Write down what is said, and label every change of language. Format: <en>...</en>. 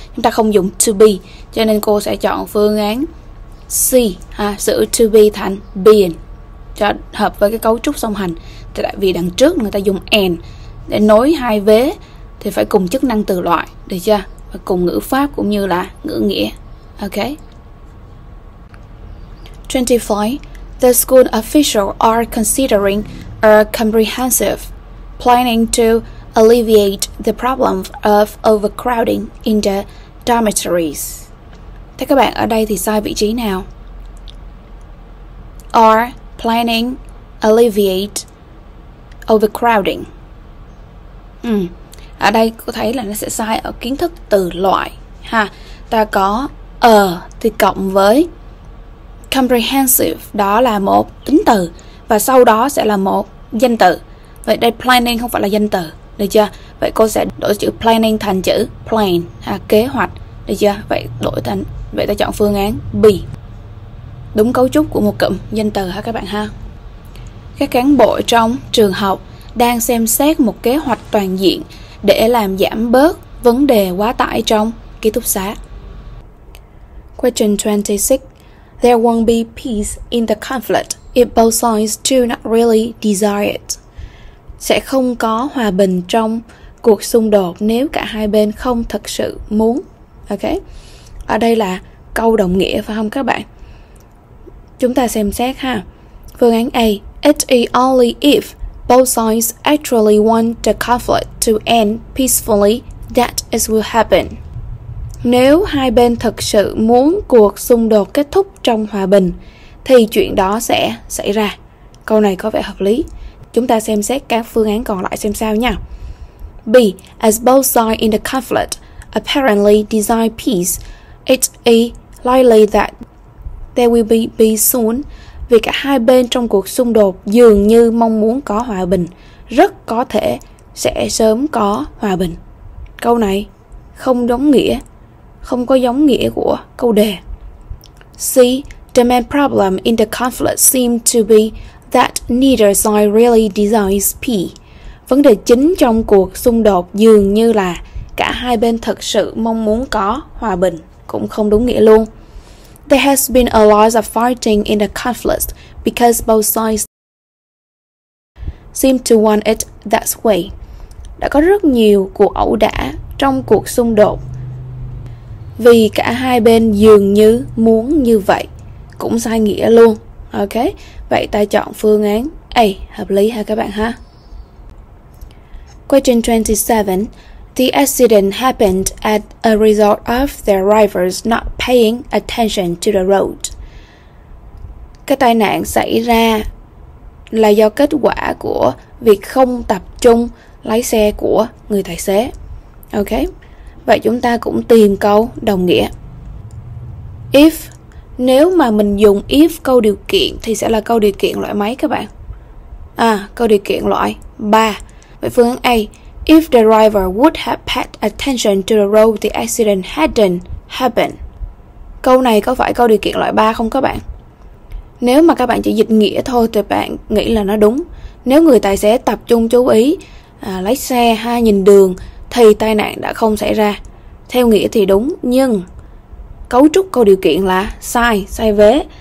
<vi>Chúng ta không dùng to be, cho nên cô sẽ chọn phương án C, sửa to be thành being cho hợp với cái cấu trúc song hành. Tại vì đằng trước người ta dùng and để nối hai vế thì phải cùng chức năng từ loại, được chưa? Và cùng ngữ pháp cũng như là ngữ nghĩa. Ok. 25.</vi> <en>The school officials are considering a comprehensive planning to alleviate the problem of overcrowding in the dormitories.</en> <vi>Thế các bạn ở đây thì sai vị trí nào?</vi> <en>Are planning alleviate overcrowding.</en> <vi>Ở đây cô thấy là nó sẽ sai ở kiến thức từ loại ha. Ta có thì cộng với comprehensive, đó là một tính từ, và sau đó sẽ là một danh từ. Vậy đây planning không phải là danh từ, được chưa? Vậy cô sẽ đổi chữ planning thành chữ plan ha, kế hoạch, được chưa? Vậy đổi thành, vậy ta chọn phương án B, đúng cấu trúc của một cụm danh từ ha các bạn ha. Các cán bộ trong trường học đang xem xét một kế hoạch toàn diện để làm giảm bớt vấn đề quá tải trong ký túc xá.</vi> <en>Question 26. There won't be peace in the conflict if both sides do not really desire it.</en> <vi>Sẽ không có hòa bình trong cuộc xung đột nếu cả hai bên không thật sự muốn. Ok. Ở đây là câu đồng nghĩa phải không các bạn? Chúng ta xem xét ha. Phương án A.</vi> <en>It is only if both sides actually want the conflict to end peacefully that it will happen.</en> <vi>Nếu hai bên thực sự muốn cuộc xung đột kết thúc trong hòa bình thì chuyện đó sẽ xảy ra. Câu này có vẻ hợp lý. Chúng ta xem xét các phương án còn lại xem sao nha. B.</vi> <en>As both sides in the conflict apparently desire peace, it is likely that there will be peace soon.</en> <vi>Vì cả hai bên trong cuộc xung đột dường như mong muốn có hòa bình, rất có thể sẽ sớm có hòa bình. Câu này không đúng nghĩa, không có giống nghĩa của câu đề. C.</vi> <en>The main problem in the conflict seems to be that neither side really desires peace.</en> <vi>Vấn đề chính trong cuộc xung đột dường như là cả hai bên thực sự mong muốn có hòa bình, cũng không đúng nghĩa luôn.</vi> <en>There has been a lot of fighting in the conflict because both sides seem to want it that way.</en> <vi>Đã có rất nhiều cuộc ẩu đả trong cuộc xung đột vì cả hai bên dường như muốn như vậy, cũng sai nghĩa luôn. Ok, vậy ta chọn phương án A, hợp lý ha các bạn ha.</vi> <en>Question 27. The accident happened as a result of their rivals not paying attention to the road.</en> <vi>Cái tai nạn xảy ra là do kết quả của việc không tập trung lái xe của người tài xế. Ok, vậy chúng ta cũng tìm câu đồng nghĩa. If, nếu mà mình dùng if câu điều kiện thì sẽ là câu điều kiện loại mấy các bạn? Câu điều kiện loại 3. Vậy phương án A.</vi> <en>If the driver would have paid attention to the road, the accident hadn't happened.</en> <vi>Câu này có phải câu điều kiện loại 3 không các bạn? Nếu mà các bạn chỉ dịch nghĩa thôi thì bạn nghĩ là nó đúng. Nếu người tài xế tập trung chú ý lái xe hay nhìn đường thì tai nạn đã không xảy ra. Theo nghĩa thì đúng, nhưng cấu trúc câu điều kiện là sai vế.</vi>